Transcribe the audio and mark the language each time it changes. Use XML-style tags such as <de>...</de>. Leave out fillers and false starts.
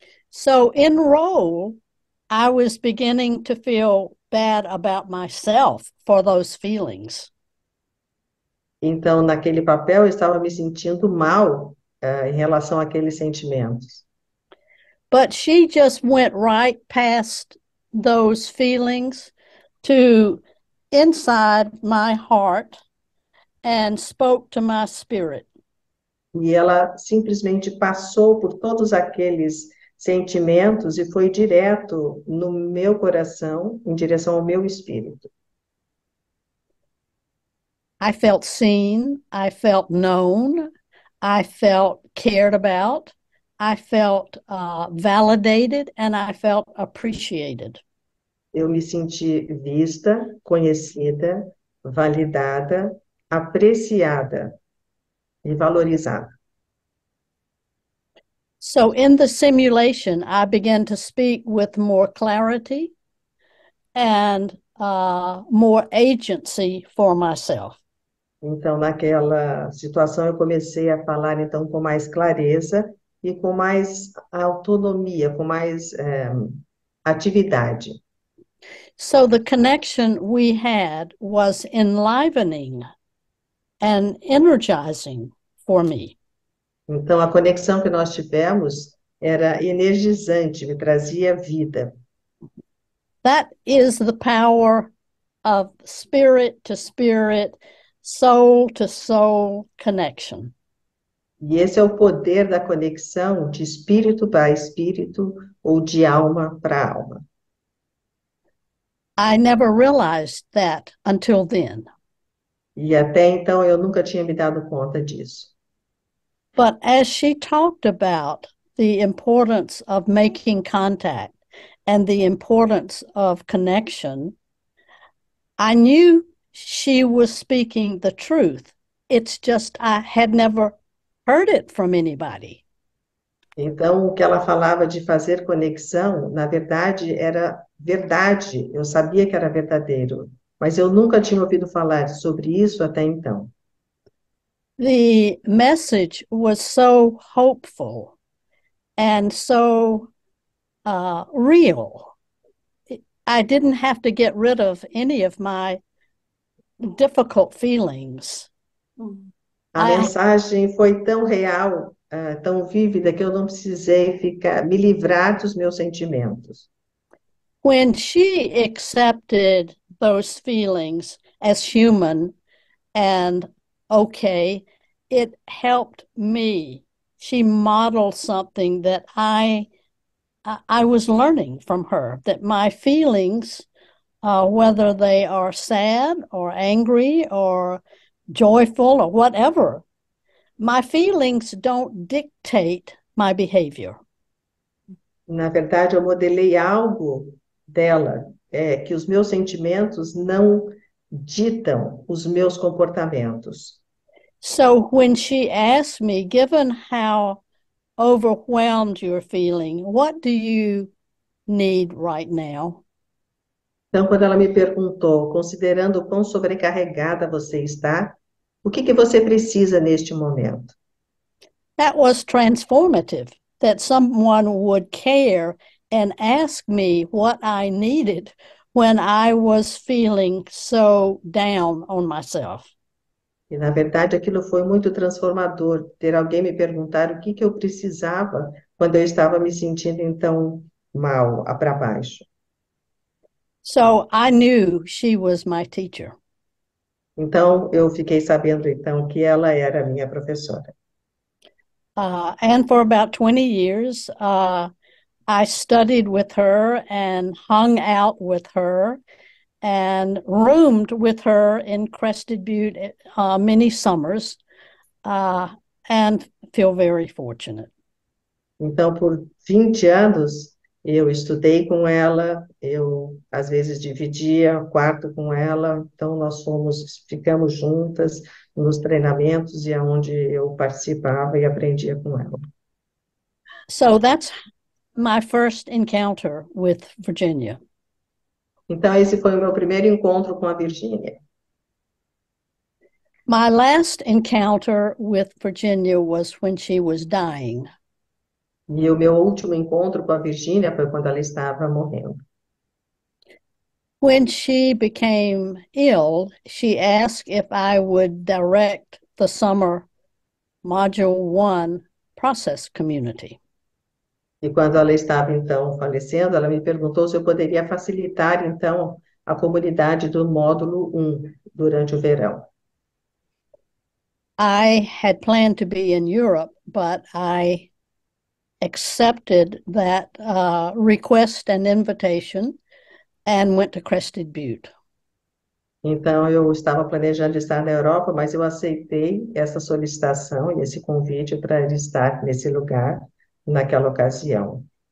<en>So, in role, I was beginning to feel bad about myself for those feelings.</en> <pt>Então, naquele papel, eu estava me sentindo mal em relação àqueles sentimentos.</pt> <en>But she just went right past those feelings to inside my heart and spoke to my spirit.</en> <pt>E ela simplesmente passou por todos aqueles sentimentos e foi direto no meu coração, em direção ao meu espírito.</pt> <en>I felt seen, I felt known, I felt cared about, I felt validated, and I felt appreciated.</en> <pt>Eu me senti vista, conhecida, validada, apreciada e valorizada.</pt> <en>So in the simulation, I began to speak with more clarity and more agency for myself.</en> <pt>Então, naquela situação, eu comecei a falar então com mais clareza e com mais autonomia, com mais atividade.</pt> <en>So the connection we had was enlivening and energizing for me.</en> <pt>Então, a conexão que nós tivemos era energizante, me trazia vida.</pt> <en>That is the power of spirit to spirit, soul to soul connection.</en> <pt>E esse é o poder da conexão de espírito para espírito ou de alma para alma.</pt> <en>I never realized that until then.</en> <pt>E até então eu nunca tinha me dado conta disso.</pt> <en>But as she talked about the importance of making contact and the importance of connection, I knew she was speaking the truth. It's just I had never heard it from anybody.</en> <pt>Então, o que ela falava de fazer conexão, na verdade, era verdade. Eu sabia que era verdadeiro, mas eu nunca tinha ouvido falar sobre isso até então.</pt> <en>The message was so hopeful and so real. I didn't have to get rid of any of my difficult feelings.</en> <pt>A mensagem foi tão real, tão vívida, que eu não precisei me livrar dos meus sentimentos.</pt> <en>When she accepted those feelings as human and okay, it helped me. She modeled something that I was learning from her, that my feelings, whether they are sad or angry or joyful or whatever, my feelings don't dictate my behavior.</en> <pt>Na verdade, eu modelei algo dela, que os meus sentimentos não ditam os meus comportamentos.</pt> <en>So when she asked me, given how overwhelmed you're feeling, what do you need right now?</en> <pt>Então, quando ela me perguntou, considerando quão sobrecarregada você está, o que você precisa neste momento?</pt> <en>That was transformative, that someone would care and ask me what I needed when I was feeling so down on myself.</en> <pt>E, na verdade, aquilo foi muito transformador, ter alguém me perguntar o que eu precisava quando eu estava me sentindo, então, mal, para baixo.</pt> <en>So I knew she was my teacher.</en> <pt>Então, eu fiquei sabendo, então, que ela era a minha professora.</pt> <en>And for about 20 years, I studied with her and hung out with her and roomed with her in Crested Butte many summers. And feel very fortunate.</en> <pt>Então, por 20 anos, eu estudei com ela, eu às vezes dividia quarto com ela, então nós fomos, ficamos juntas nos treinamentos e aonde eu participava e aprendia com ela.</pt> <en>So that's my first encounter with Virginia.</en> <pt>Então, esse foi o meu primeiro encontro com a Virgínia.</pt> <en>My last encounter with Virginia was when she was dying.</en> <pt>E o meu último encontro com a Virgínia foi quando ela estava morrendo.</pt> <en>When she became ill, she asked if I would direct the summer Module 1 process community.</en> <pt>E quando ela estava, então, falecendo, ela me perguntou se eu poderia facilitar, então, a comunidade do módulo 1 durante o verão.</pt> <en>I had planned to be in Europe, but I accepted that request and invitation and went to Crested Butte.</en> <pt>Então, eu estava planejando estar na Europa, mas eu aceitei essa solicitação e esse convite para estar nesse lugar, naquela ocasião.</pt>